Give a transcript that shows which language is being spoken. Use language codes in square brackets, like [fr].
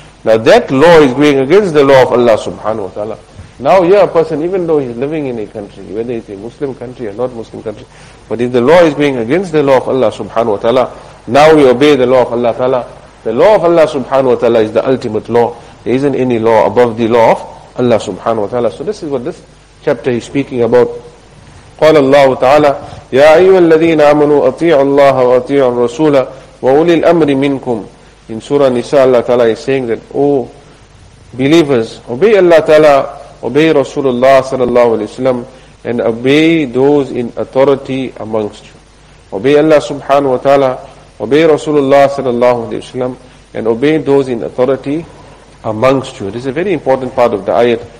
[en] Now that law is going against the law of Allah subhanahu wa ta'ala. Now here a person, even though he's living in a country, whether it's a Muslim country or not Muslim country, but if the law is going against the law of Allah subhanahu wa ta'ala, now we obey the law of Allah ta'ala. The law of Allah subhanahu wa ta'ala is the ultimate law. There isn't any law above the law of Allah subhanahu wa ta'ala. So this is what this chapter is speaking about. [ar] قال الله تعالى يا أيها الذين آمنوا أطيعوا الله وأطيعوا الرسول وأولي الأمر منكم. [en] In Surah Nisa, Allah Ta'ala is saying that, believers, obey Allah Ta'ala, obey Rasulullah sallallahu alayhi wa sallam, and obey those in authority amongst you. Obey Allah subhanahu wa ta'ala, obey Rasulullah sallallahu alayhi wa sallam, and obey those in authority amongst you. This is a very important part of the ayat.